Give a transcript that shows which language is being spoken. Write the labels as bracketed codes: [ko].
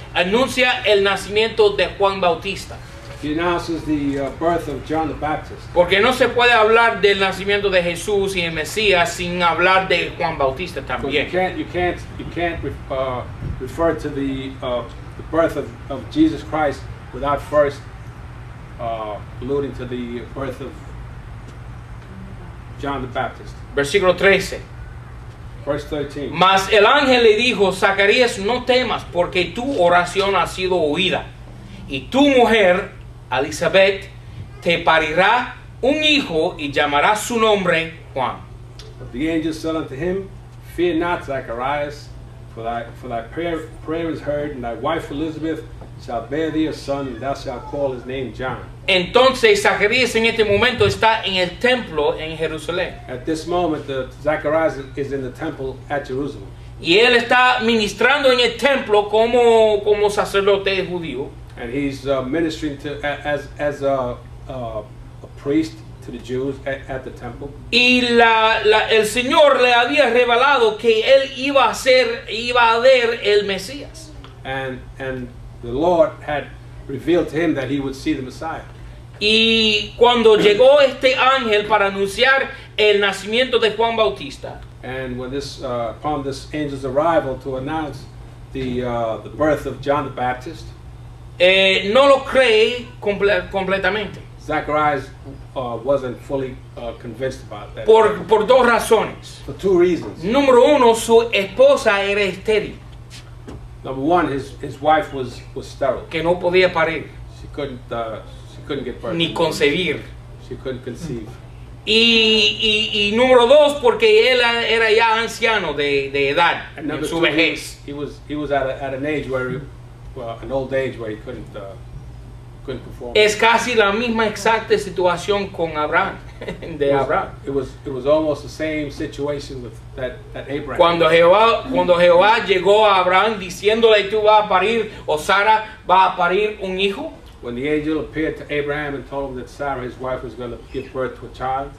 [es] Anuncia el nacimiento de Juan Bautista. [en] He announces the birth of John the Baptist. [es] Porque no se puede hablar del nacimiento de Jesús y el Mesías sin hablar de Juan Bautista también. [en] You can't refer to the birth of Jesus Christ without first alluding to the birth of John the Baptist. [es] Versículo 13. [en] Verse 13. [es] Mas el ángel le dijo, Zacarías, no temas, porque tu oración ha sido oída. Y tu mujer, Elizabeth, te parirá un hijo y llamará su nombre Juan. [en] But the angel said unto him, fear not, Zacharias, for thy prayer is heard, and thy wife Elizabeth shall bear thee a son, and thou shalt call his name John. [es] Entonces Zacarías en este momento está en el templo en Jerusalén. [en] At this moment, Zacharias is in the temple at Jerusalem. [es] Y él está ministrando en el templo como sacerdote judío. [en] And he's ministering to as a priest to the Jews at the temple. [es] Y el Señor le había revelado que él iba a ver el Mesías. [en] And the Lord had revealed to him that he would see the Messiah. [es] Y cuando llegó este ángel para anunciar el nacimiento de Juan Bautista. [en] And when this upon this angel's arrival to announce the birth of John the Baptist. [es] No lo cree completamente. [en] Zacharias wasn't fully convinced about that. [es] Por dos razones. [en] For two reasons. [es] Número uno, su esposa era estéril. [en] Number one, his wife was sterile. [es] Que no podía parir. [en] She couldn't get pregnant. [es] Ni concebir. [en] She couldn't conceive. [es] Y número dos, porque él era ya anciano de edad, en su vejez. [en] He was at an age where an old age where he couldn't perform. [es] Es casi la misma exacta situación con Abraham. [en] Abraham. It was almost the same situation with that Abraham. [es] Cuando Jehová llegó a Abraham diciéndole, tú vas a parir, o Sara va a parir un hijo. [en] When the angel appeared to Abraham and told him that Sarah, his wife, was going to give birth to a child.